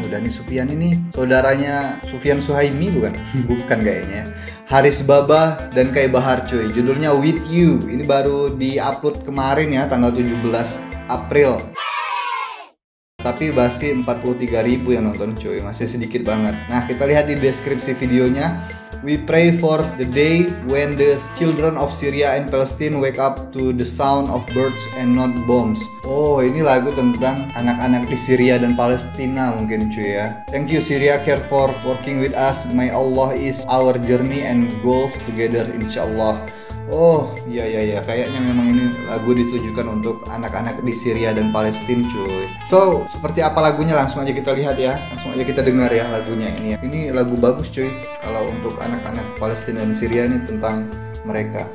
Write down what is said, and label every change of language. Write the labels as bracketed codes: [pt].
[id] Oh, Danis Sufian ini saudaranya Sufian Suhaimi bukan? Bukan kayaknya. Haris Baba dan Kai Bahar cuy. Judulnya With You. Ini baru diupload kemarin ya, tanggal 17 April. Tapi masih 43.000 yang nonton cuy, masih sedikit banget. Nah, kita lihat di deskripsi videonya. [en] We pray for the day when the children of Syria and Palestine wake up to the sound of birds and not bombs. [id] Oh, ini lagu tentang anak-anak di Syria dan Palestina mungkin cuy ya. [en] Thank you Syria care for working with us. May Allah is our journey and goals together insyaallah. [id] Oh, iya, kayaknya memang ini lagu ditujukan untuk anak-anak di Syria dan Palestina cuy. So, seperti apa lagunya langsung aja kita lihat ya. Langsung aja kita dengar ya lagunya ini. Ini lagu bagus cuy, kalau untuk anak-anak Palestina dan Syria ini tentang mereka.